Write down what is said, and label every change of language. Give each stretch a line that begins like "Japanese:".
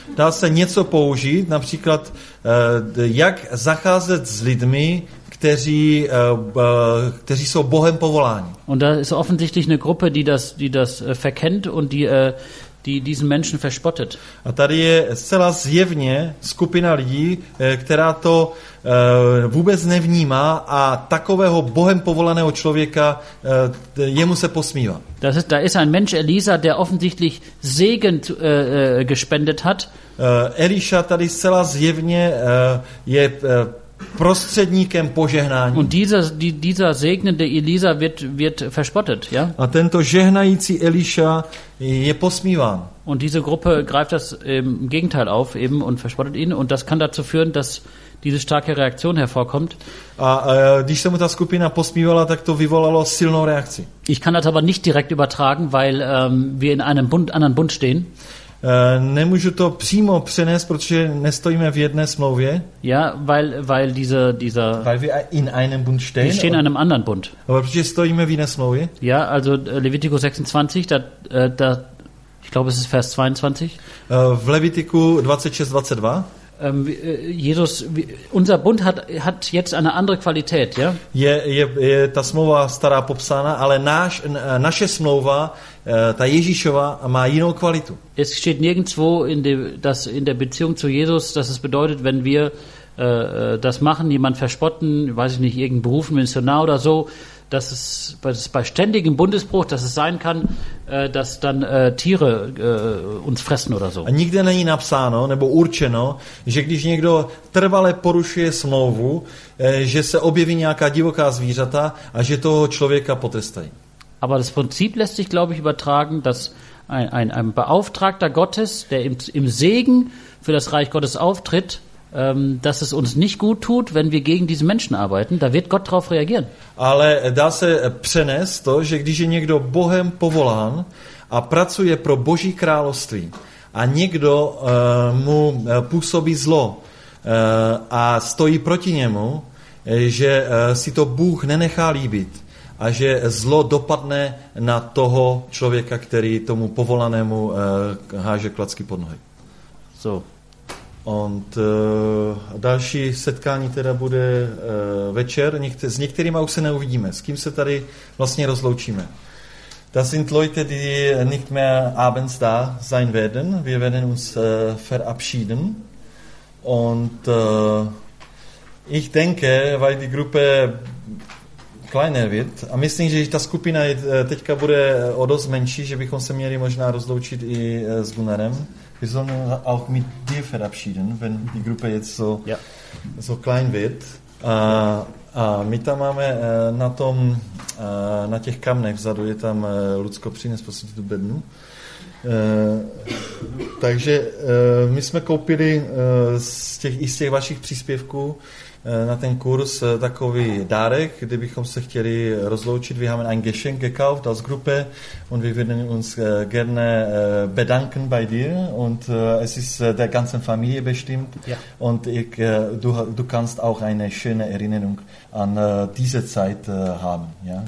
Czech: Dá se něco použít, například jak zacházet s lidmi, kteří jsou Bohem povoláni.
German: Und da ist offensichtlich eine Gruppe, die das verkennt und die diesen Menschen verspottet.
Czech: A tady je zcela zjevně skupina lidí, která to vůbec nevnímá a takového Bohem povolaného člověka jemu se posmívá.
German: Da ist ein Mensch Elisa, der offensichtlich Segen gespendet hat.
Czech: Eliša tady zcela zjevně je prostředníkem požehnání.
German: Und dieser segnende Elisa wird verspottet, ja?
Czech: A tento žehnající Eliša je posmíván.
German: Und diese Gruppe greift das im Gegenteil auf eben und verspottet ihn und das kann dazu führen, dass diese starke Reaktion hervorkommt.
Czech: Když se mu ta skupina posmívala, tak to vyvolalo silnou reakci.
German: Ich kann das aber nicht direkt übertragen, weil wir in einem anderen Bund stehen.
Czech: Nemůžu to přímo přenést, protože nestojíme v jedné smlouvě.
German: Ja, weil dieser weil wir in einem Bund stehen. Wir stehen in einem anderen Bund.
Czech: Aber protože stojíme v jiné smlouvě.
German: Ja, also Levitikus 26, da ich glaube, es ist Vers 22.
Czech: V Levitiku 26:22.
German: Jesus, unser Bund hat jetzt eine andere Qualität, ja?
Czech: Je ta smlouva stará popsána, ale naše smlouva, ta Ježíšova, má jinou kvalitu.
German: Es steht nirgendwo in der Beziehung zu Jesus, dass es bedeutet, wenn wir das machen, jemand verspotten, weiß ich nicht, irgendeinen Beruf, Missionar oder so, dass es bei ständigem Bundesbruch, dass es sein kann, dass dann Tiere uns fressen oder so.
Czech: A nikde není napsáno nebo určeno, že když někdo trvale porušuje smlouvu, že se objeví nějaká divoká zvířata a že toho člověka potrestají.
German: Aber das Prinzip lässt sich, glaube ich, übertragen, dass ein Beauftragter Gottes, der im Segen für das Reich Gottes auftritt, dass es uns nicht gut tut, wenn wir gegen diese Menschen arbeiten, da wird Gott drauf reagieren.
Czech: Ale dá se přenést to, že když je někdo Bohem povolán a pracuje pro Boží království a někdo mu působí zlo a stojí proti němu, že si to Bůh nenechá líbit a že zlo dopadne na toho člověka, který tomu povolanému háže klacky pod nohy.
German: So.
Czech: Und další setkání teda bude večer. S některýma už se neuvidíme. S kým se tady vlastně rozloučíme?
German: Das sind Leute, die nicht mehr abends da sein werden. Wir werden uns verabschieden. Und ich denke, weil die Gruppe kleiner wird,
Czech: a myslím, že ta skupina teďka bude o dost menší, že bychom se měli možná rozloučit i s Gunnarem.
German: Wir sollen auch mit dir verabschieden, wenn die Gruppe jetzt so, ja, so klein wird.
Czech: A my tam máme na tom, na těch kamnech vzadu, je tam Lucko přines, prosím tu bednu. Takže my jsme koupili z těch vašich příspěvků na ten kurz takový dárek, kdybychom se chtěli rozloučit.
German: Wir haben ein Geschenk gekauft aus Gruppe und wir würden uns gerne bedanken bei dir und es ist der ganzen Familie bestimmt, ja. Und du kannst auch eine schöne Erinnerung an diese Zeit haben. Ja?